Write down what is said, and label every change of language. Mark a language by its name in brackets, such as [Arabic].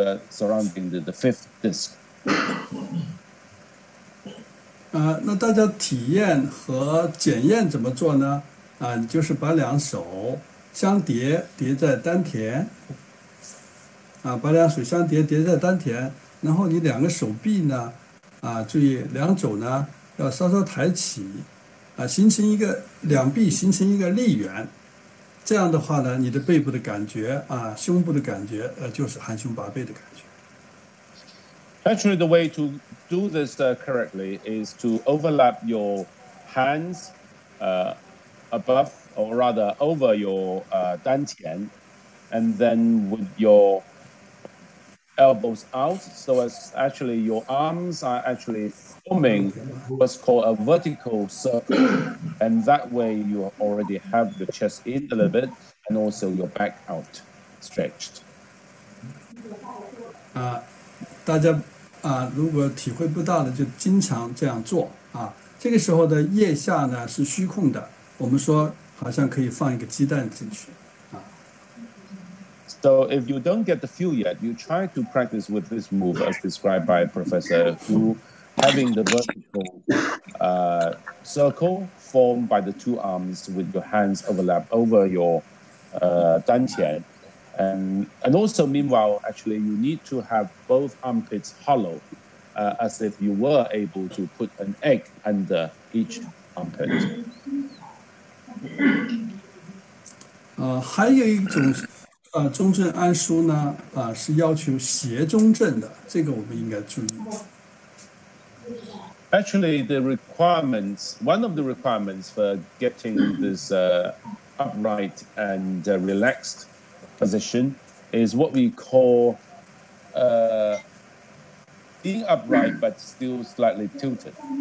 [English] Surrounding the fifth disc. [Chinese] 那大家体验和检验怎么做呢？就是把两手相叠在丹田。把两手相叠在丹田，然后你两个手臂呢，注意两肘呢要稍稍抬起，形成一个两臂形成一个立圆。这样的话呢，你的背部的感觉啊，胸部的感觉，就是含胸拔背的感觉。 [English] Actually, the way to do this correctly is to overlap your hands, above or rather over your 丹田, and then with your elbows out, so as actually your arms are actually forming what's called a vertical circle, and that way you already have the chest in a little bit and also your back out stretched. [Chinese] 大家如果体会不到的就经常这样做这个时候的腋下呢是虚空的，我们说好像可以放一个鸡蛋进去。 [English] So if you don't get the feel yet, you try to practice with this move as described by a professor who having the vertical circle formed by the two arms with your hands overlap over your 丹田. And also meanwhile, actually, you need to have both armpits hollow as if you were able to put an egg under each armpit. [Chinese] 还有一种中正安舒呢是要求斜中正的，这个我们应该注意。 [English] Actually, the requirements, one of the requirements for getting this upright and relaxed position is what we call being upright but still slightly tilted.